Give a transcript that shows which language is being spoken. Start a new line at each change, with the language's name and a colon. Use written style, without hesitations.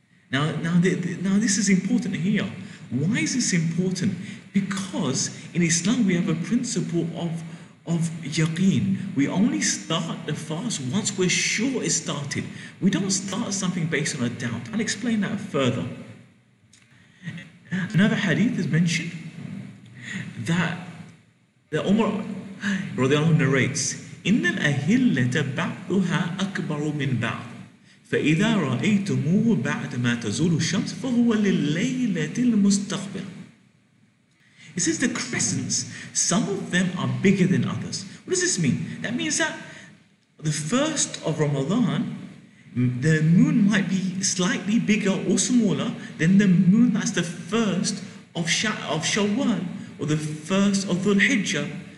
English: Now this is important here. Why is this important? Because in Islam we have a principle of yaqeen. We only start the fast once we're sure it started. We don't start something based on a doubt. I'll explain that further. Another hadith is mentioned that Umar radiallahu anhu narrates,
Arabic: إِنَّ الْأَهِلَّةَ بَعْضُهَا أَكْبَرُ مِنْ بَعْضُ فَإِذَا رَأَيْتُمُوهُ بَعْدَمَا تَزُولُ الشَّمْسِ فَهُوَ لِلَّيْلَةِ الْمُسْتَقْبِلِ.
English: It says the crescents, some of them are bigger than others. What does this mean? That means that the first of Ramadan, the moon might be slightly bigger or smaller than the moon that's the first of Shawwal or the first of Dhul Hijjah.